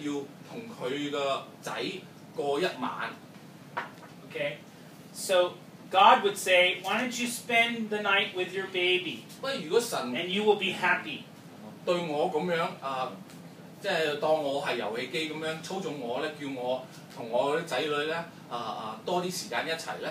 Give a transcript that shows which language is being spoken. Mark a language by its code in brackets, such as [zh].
[zh] 然後在這個遊戲的時候,我有一個遊戲裡面,一個人物要跟他的兒子過一晚。 [en] Okay, so God would say, why don't you spend the night with your baby? [zh] 如果神, [en] and you will be happy. [zh] 對我這樣,即是當我是遊戲機這樣操縱我,叫我和我的子女多些時間一起。